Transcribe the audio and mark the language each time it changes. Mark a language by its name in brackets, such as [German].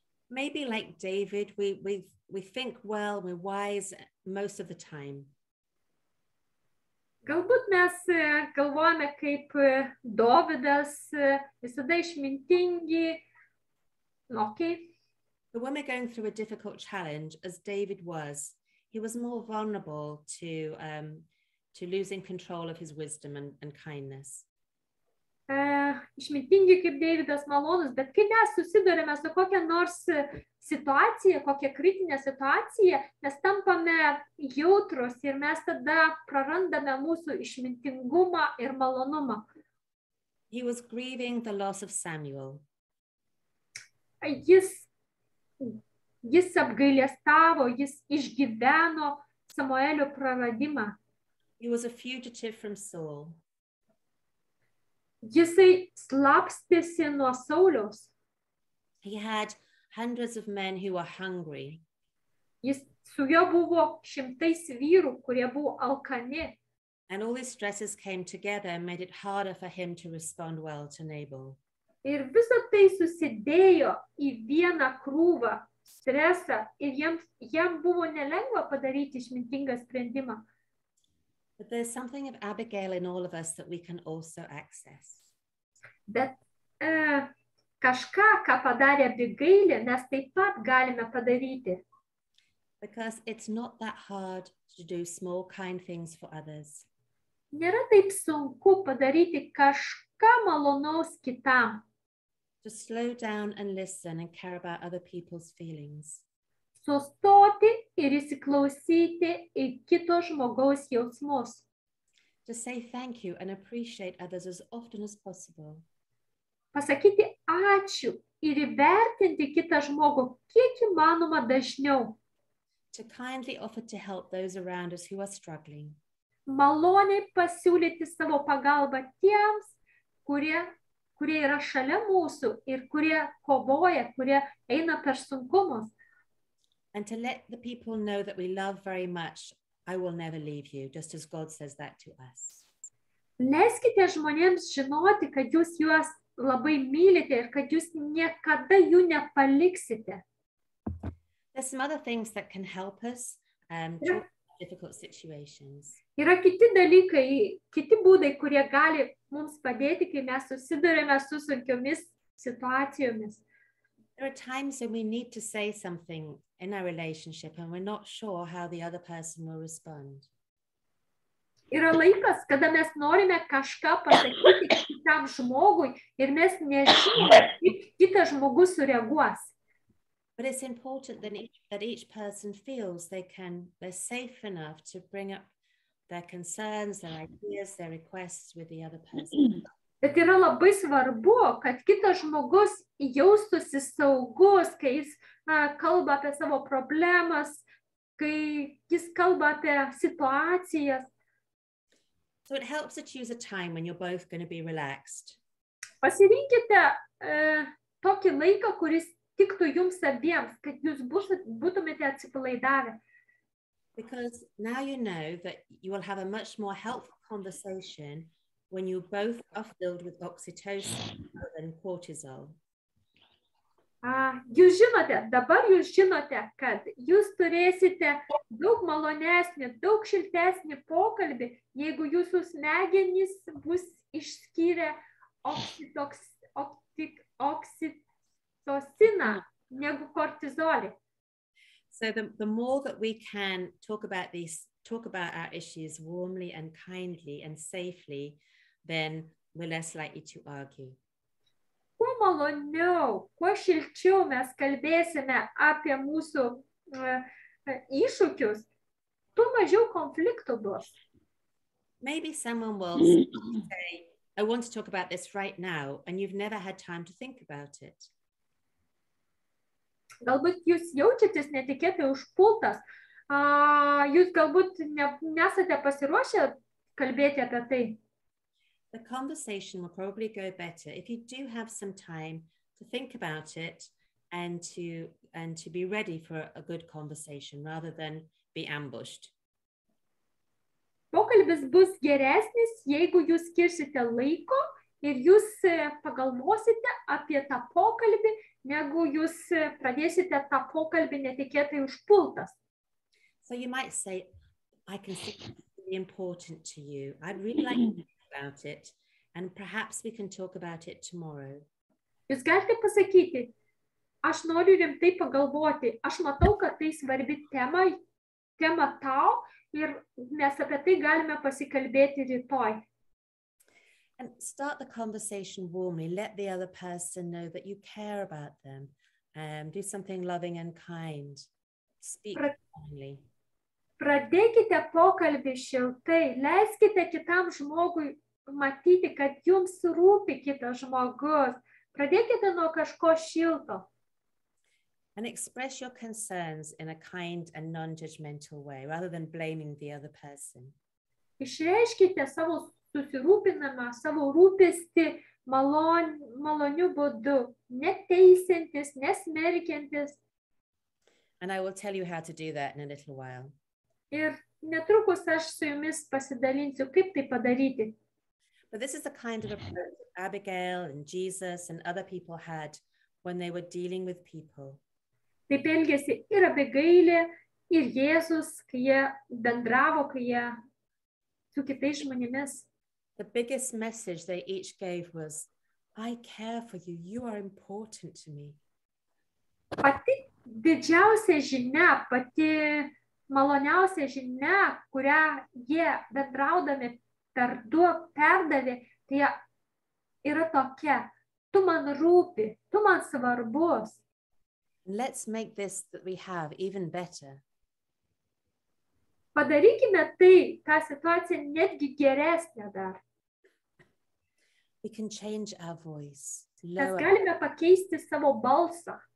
[English] Maybe like David, we think well, we're wise most of the time. [Lithuanian] Galbūt mes galvojame kaip Dovydas, visada išmintingi. [English] Okay. But when we're going through a difficult challenge, as David was, he was more vulnerable to losing control of his wisdom and kindness. [Lithuanian] Išmintingi kaip Deividas, malonus, bet kai mes susidurime su kokia nors situacija, kokia kritinė situacija, mes tampame jautrus ir mes tada prarandame mūsų išmintingumą ir malonumą. [English] He was grieving the loss of Samuel. [Lithuanian] Jis apgailestavo, jis išgyveno Samuelio praradimą. [English] He was a fugitive from Saul. [Lithuanian] Jisai slapstėsi nuo Sauliaus. [English] He had hundreds of men who were hungry. [Lithuanian] Jis su juo buvo šimtais vyrų, kurie buvo alkani. [English] And all these stresses came together and made it harder for him to respond well to Nabal. [Lithuanian] Ir visa tai susidėjo į vieną krūvą stresą ir jam buvo nelengva padaryti išmintingą sprendimą. [English] But there's something of Abigail in all of us that we can also access. [Lithuanian] Bet kažką, ką padarė Abigailė, mes taip pat galime padaryti. [English] Because it's not that hard to do small kind things for others. [Lithuanian] Nėra taip sunku padaryti kažką malonaus kitam. [English] To slow down and listen and care about other people's feelings. [Lithuanian] Sustoti ir įsiklausyti į kito žmogaus jausmus. [English] To say thank you and appreciate others as often as possible. [Lithuanian] Pasakyti ačiū ir įvertinti kitą žmogų kiek įmanoma dažniau. [English] To kindly offer to help those around us who are struggling. [Lithuanian] Maloniai pasiūlyti savo pagalbą tiems, kurie yra šalia mūsų ir kurie kovoja, kurie eina per sunkumus. [English] And to let the people know that we love very much, I will never leave you, just as God says that to us. [Lithuanian] Leiskite žmonėms žinoti, kad jūs juos labai mylite ir kad jūs niekada jų nepaliksite. [English] There's some other things that can help us in difficult situations. [Lithuanian] Yra kiti dalykai, kiti būdai, kurie gali mums padėti, kai mes susidurime su sunkiomis situacijomis. [English] There are times when we need to say something in our relationship and we're not sure how the other person will respond. [Lithuanian] Yra laikas, kada mes norime kažką pasakyti kitam žmogui ir mes nežinome, kaip kitas žmogus sureaguos. [English] But it's important that each person feels they're safe enough to bring up their concerns, their ideas, their requests with the other person. [Lithuanian] Bet yra labai svarbu, kad kitas žmogus jaustųsi saugus, kai jis kalba apie savo problemas, kai jis kalba apie situacijas. [English] So it helps to choose a time when you're both going to be relaxed. [Lithuanian] Pasirinkite tokį laiką, kuris tiktų jums abiems, kad jūs būtumėte atsipalaidavę. [English] Because now you know that you will have a much more helpful conversation when you both are filled with oxytocin and cortisol. [Lithuanian] Jūs žinote, dabar jūs žinote, kad jūs turėsite daug malonesnį, daug šiltesnį pokalbį, jeigu jūsų smegenys bus išskyrę oksitociną negu kortizolį. [English] So the more that we can talk about our issues warmly and kindly and safely, then we're less likely to argue. [Lithuanian] Kuo maloniau, kuo šilčiau mes kalbėsime apie mūsų iššūkius, tuo mažiau konfliktų bus. [English] Maybe someone will say, I want to talk about this right now, and you've never had time to think about it. [Lithuanian] Galbūt jūs jaučiatės netikėtai užpultas. Jūs galbūt nesate pasiruošę kalbėti apie tai. [English] The conversation will probably go better if you do have some time to think about it and to be ready for a good conversation rather than be ambushed. [Lithuanian] Pokalbis bus geresnis, jeigu jūs skirsite laiko ir jūs pagalvosite apie tą pokalbį, negu jūs pradėsite tą pokalbį netikėtai užpultas. [English] So you might say, I can see it's important to you. I'd really like to talk about it. And perhaps we can talk about it tomorrow. [Lithuanian] Jūs galite pasakyti, aš noriu rimtai pagalvoti. Aš matau, kad tai svarbi tema tau. Ir mes apie tai galime pasikalbėti rytoj. [English] And start the conversation warmly. Let the other person know that you care about them. Do something loving and kind. Speak kindly. [Lithuanian] Pradėkite pokalbį šiltai. Leiskite kitam žmogui matyti, kad jums rūpi kitas žmogus. Pradėkite nuo kažko šilto. [English] And express your concerns in a kind and non-judgmental way, rather than blaming the other person. [Lithuanian] Išreiškite savo susirūpinimą, savo rūpestį maloniu būdu, neteisintis, nesmerkiantis. [English] And I will tell you how to do that in a little while. [Lithuanian] Ir netrukus aš su jumis pasidalinsiu, kaip tai padaryti. [English] But this is the kind of approach Abigail and Jesus and other people had when they were dealing with people. [Lithuanian] Taip elgėsi ir Abigailė, ir Jėzus, kai jie bendravo, kai jie su kitais žmonėmis. [English] The biggest message they each gave was, I care for you, you are important to me. [Lithuanian] Pati didžiausia žinia, pati maloniausia žinia, kurią jie bendraudami perdavė, tai yra tokia, tu man rūpi, tu man svarbus. [English] Let's make this that we have even better. [Lithuanian] Padarykime tai, ta situacija netgi geresnė dar. [English] We can change our voice. [Lithuanian] Mes galime pakeisti savo balsą.